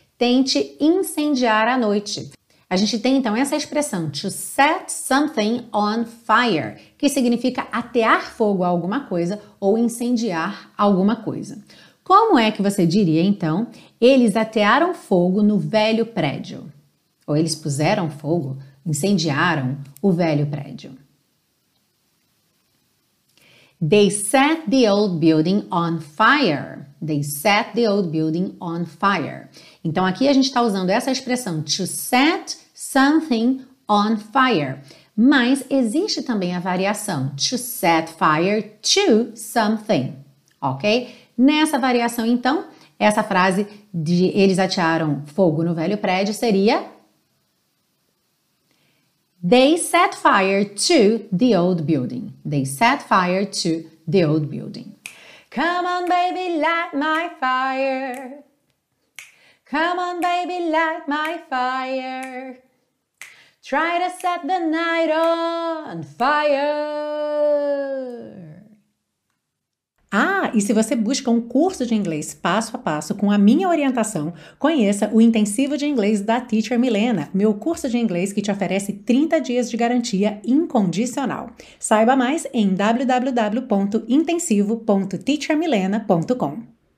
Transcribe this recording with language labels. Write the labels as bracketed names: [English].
[Portuguese] Tente incendiar a noite. A gente tem então essa expressão, [English] to set something on fire, [Portuguese] que significa atear fogo a alguma coisa ou incendiar alguma coisa. Como é que você diria, então, eles atearam fogo no velho prédio? Ou eles puseram fogo, incendiaram o velho prédio? [English] They set the old building on fire. They set the old building on fire. [Portuguese] Então, aqui a gente está usando essa expressão, [English] to set something on fire. [Portuguese] Mas existe também a variação, [English] to set fire to something. [Portuguese] Ok? Nessa variação, então, essa frase de eles atearam fogo no velho prédio seria [English] They set fire to the old building. They set fire to the old building. Come on, baby, light my fire. Come on, baby, light my fire. Try to set the night on fire. [Portuguese] Ah, e se você busca um curso de inglês passo a passo com a minha orientação, conheça o Intensivo de Inglês da Teacher Milena, meu curso de inglês que te oferece 30 dias de garantia incondicional. Saiba mais em www.intensivo.teachermilena.com.